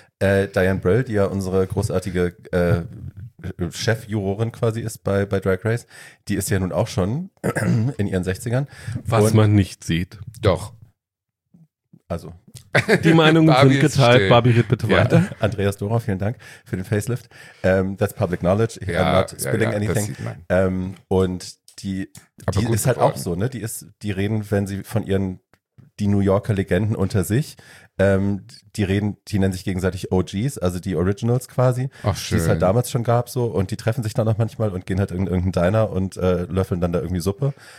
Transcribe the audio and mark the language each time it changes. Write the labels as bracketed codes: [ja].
[de] Diane Brill, die ja unsere großartige Chefjurorin quasi ist bei Drag Race, die ist ja nun auch schon in ihren 60ern. Was man nicht sieht. Doch. Also, die Meinungen sind geteilt. Barbie wird bitte weiter. Ja. Andreas Dora, vielen Dank für den Facelift. [en] That's public knowledge. Ja, I'm not spilling anything. [de] Und die ist halt auch so, ne? Die reden, wenn sie von ihren die New Yorker Legenden unter sich, die nennen sich gegenseitig OGs, also die Originals quasi. Ach schön. Die es halt damals schon gab so. Und die treffen sich dann auch manchmal und gehen halt in irgendeinen Diner und löffeln dann da irgendwie Suppe.